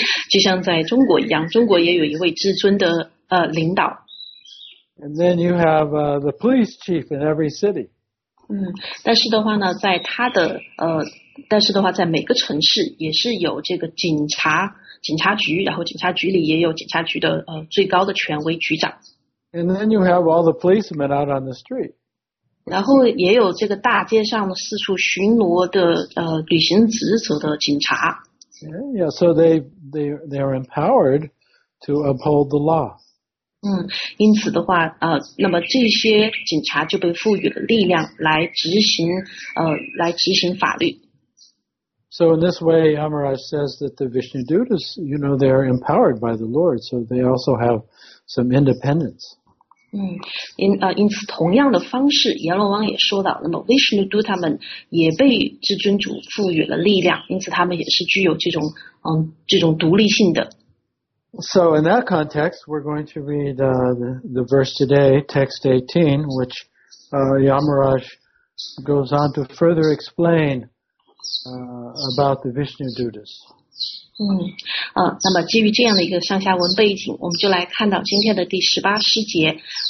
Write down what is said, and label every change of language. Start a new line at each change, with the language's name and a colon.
Chinese: 就像在中国一样，中国也有一位至尊的领导。
English: And then you have the police chief in every city.
Chinese: 但是的话呢，在他的但是的话，在每个城市也是有这个警察局，然后警察局里也有警察局的最高的权威局长。
English: And then you have all the policemen out on the street.
Chinese: 然后也有这个大街上四处巡逻的履行职责的警察。
English: Yeah, so they are empowered to uphold the law.
Chinese: 因此的话，那么这些警察就被赋予了力量来执行法律。
English: So in this way, Yamaraj says that the Vishnu Dutas, you know, they are empowered by the Lord, so they also have some independence.
Chinese: 因此同样的方式，阎罗王也说到，那么 Vishnu Duta 们也被至尊主赋予了力量，因此他们也是具有这种独立性的。
English: So in that context, we're going to read the verse today, text 18, which Yamaraj goes on to further explain about the Vishnu Dutas.
Chinese: 那么基于这样的一个上下文背景，我们就来看到今天的第十八诗节。